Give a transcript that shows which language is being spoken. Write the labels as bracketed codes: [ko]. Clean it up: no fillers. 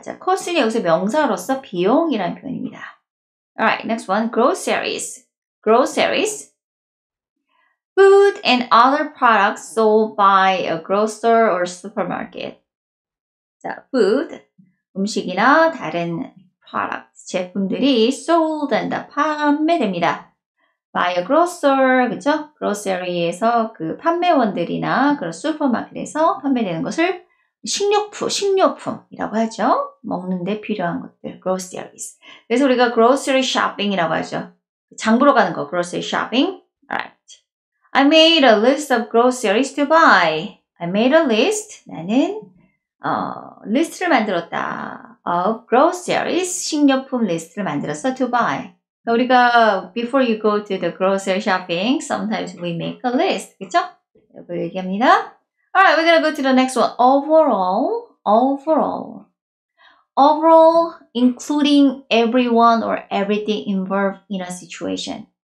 [ko] 자, cost는 여기서 명사로서 비용이라는 표현입니다. [en] Alright, next one. Groceries. Groceries. Food and other products sold by a grocer or supermarket. [ko] 자, food. 음식이나 다른 products. 제품들이 [en] sold and [ko] 판매됩니다. [en] By a grocer, [ko] 그쵸? Grocery에서 그 판매원들이나 그런 슈퍼마켓에서 판매되는 것을 식료품이라고 하죠. 먹는데 필요한 것들, groceries. 그래서 우리가 grocery shopping이라고 하죠. 장보러 가는 거, [en] grocery shopping. Alright. I made a list of groceries to buy. I made a list. [ko] 나는 리스트를 만들었다. [en] Of groceries, [ko] 식료품 리스트를 만들어서 [en] to buy. [ko] 우리가 [en] before you go to the grocery shopping, sometimes we make a list, [ko] 그쵸? 이걸 얘기합니다. [en] Alright, we're gonna go to the next one. Overall, overall. Overall, including everyone or everything involved in a situation.